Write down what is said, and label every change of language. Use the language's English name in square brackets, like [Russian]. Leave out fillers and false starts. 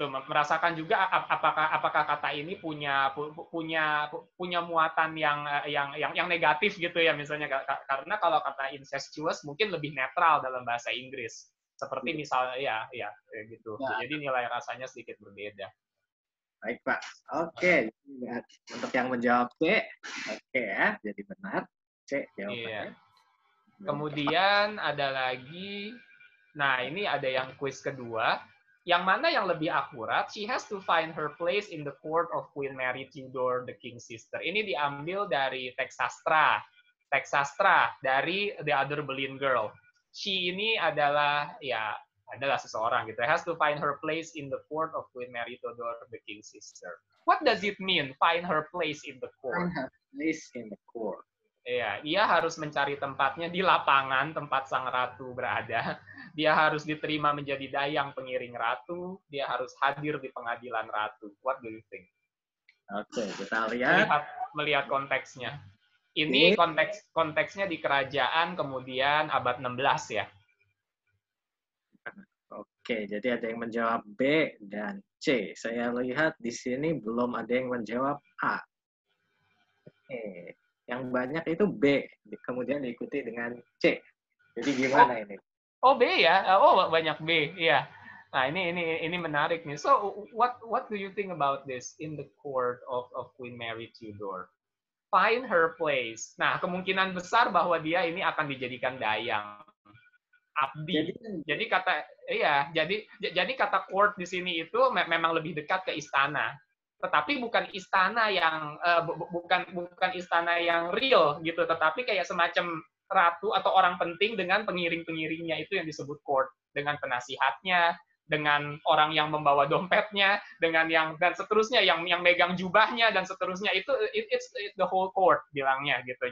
[Indonesian] Merasakan juga apakah kata ini punya muatan yang negatif gitu ya misalnya, karena kalau kata incestuous mungkin lebih netral dalam bahasa Inggris seperti misalnya ya gitu ya. Jadi nilai rasanya sedikit berbeda. Baik, Pak. Oke. Okay. Untuk yang menjawab C, oke okay, ya. Jadi benar. C jawabannya. Iya. Kemudian ada lagi. Nah, ini ada yang quiz kedua. Yang mana yang lebih akurat? [English] She has to find her place in the court of Queen Mary Tudor, the King's sister. [Indonesian] Ini diambil dari teks sastra. Teks sastra dari The Other Boleyn Girl. She ini adalah, ya, adalah seseorang gitu. [English] Has to find her place in the court of Queen Mary Tudor, the King's sister. What does it mean, find her place in the court? Find her place in the court. [Indonesian] Iya, ia harus mencari tempatnya di lapangan, tempat sang ratu berada. Dia harus diterima menjadi dayang pengiring ratu. Dia harus hadir di pengadilan ratu. [English] What do you think? [Indonesian] Oke, kita lihat. Melihat konteksnya. Ini konteksnya di kerajaan kemudian abad 16 ya. Oke, jadi ada yang menjawab B dan C. Saya lihat di sini belum ada yang menjawab A. Oke. Yang banyak itu B, kemudian diikuti dengan C. Jadi gimana ini? Oh, B ya. Oh, banyak B. Iya. Nah, ini menarik nih. [English] So, what do you think about this in the court of Queen Mary Tudor? Find her place. [Indonesian] Nah, kemungkinan besar bahwa dia ini akan dijadikan dayang. Abdi. Jadi kata iya, jadi kata court di sini itu memang lebih dekat ke istana. Tetapi bukan istana yang bukan istana yang real gitu, tetapi kayak semacam ratu atau orang penting dengan pengiring-pengiringnya itu yang disebut court, dengan penasihatnya, dengan orang yang membawa dompetnya, dengan yang dan seterusnya yang megang jubahnya dan seterusnya itu [English] it's the whole court [Indonesian] bilangnya gitu.